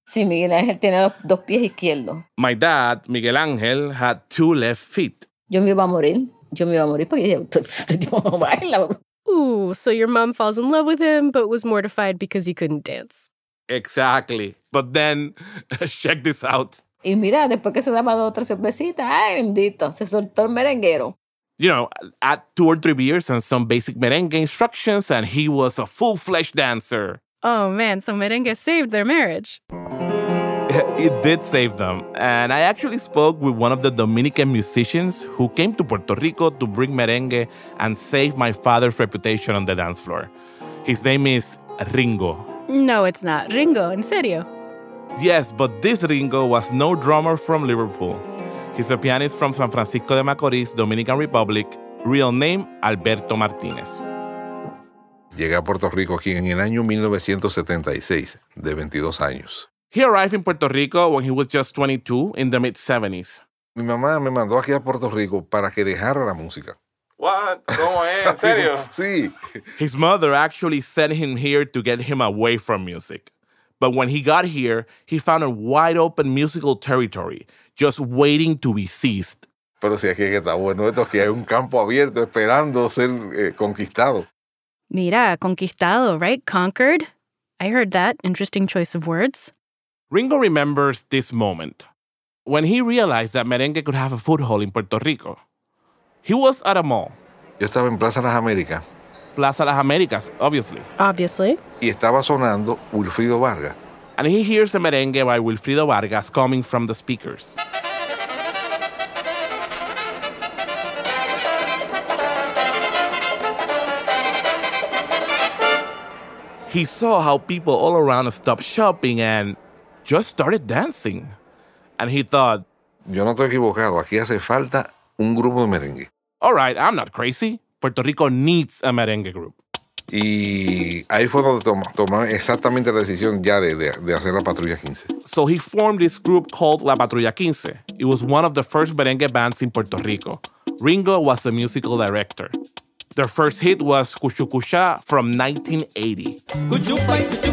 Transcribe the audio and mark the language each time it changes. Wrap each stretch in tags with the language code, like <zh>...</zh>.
<es>si, Miguel Ángel tiene dos pies izquierdos.</es> <en>My dad, Miguel Ángel, had two left feet.</en> <es>Yo me iba a morir. Yo me iba a morir porque este tipo no baila.</es> <en>Ooh, so your mom falls in love with him, but was mortified because he couldn't dance. Exactly. But then, check this out. Y mira, después que se daba dos o tres cervecitas, ay, bendito, se soltó el merenguero. You know, at two or three beers and some basic merengue instructions, and he was a full-fledged dancer. Oh, man, so merengue saved their marriage. It did save them. And I actually spoke with one of the Dominican musicians who came to Puerto Rico to bring merengue and save my father's reputation on the dance floor. His name is Ringo. No, it's not. Ringo,</en> <es>en serio.</es> <en>Yes, but this Ringo was no drummer from Liverpool. He's a pianist from San Francisco de Macorís, Dominican Republic. Real name, Alberto Martinez.</en> <es>Llegué a Puerto Rico aquí en el año 1976, de 22 años.</es> <en>He arrived in Puerto Rico when he was just 22, in the mid-70s.</en> <es>Mi mamá me mandó aquí a Puerto Rico para que dejara la música.</es> <en>What?</en> <es>¿Cómo es? ¿En serio? Sí.</es> <en>His mother actually sent him here to get him away from music. But when he got here, he found a wide-open musical territory, just waiting to be seized.</en> <es>Pero si aquí está bueno esto, aquí hay un campo abierto esperando ser conquistado. Mira, conquistado,</es> <en>right? Conquered? I heard that. Interesting choice of words. Ringo remembers this moment, when he realized that merengue could have a foothold in Puerto Rico. He was at a mall.</en> <es>Yo estaba en Plaza Las Américas.</es> <en>Plaza Las Américas, obviously. Obviously.</en> <es>Y estaba sonando Wilfrido Vargas.</es> <en>And he hears the merengue by Wilfrido Vargas coming from the speakers. He saw how people all around stopped shopping and just started dancing. And he thought,</en> <es>yo no estoy equivocado. Aquí hace falta un grupo de merengue.</es> <en>All right, I'm not crazy. Puerto Rico needs a merengue group.</en> <es>Y ahí fue donde tomó exactamente la decisión ya de hacer la Patrulla 15.</es> <en>So he formed this group called La Patrulla 15. It was one of the first merengue bands in Puerto Rico. Ringo was the musical director. Their first hit was Cuchucucha from 1980.</en>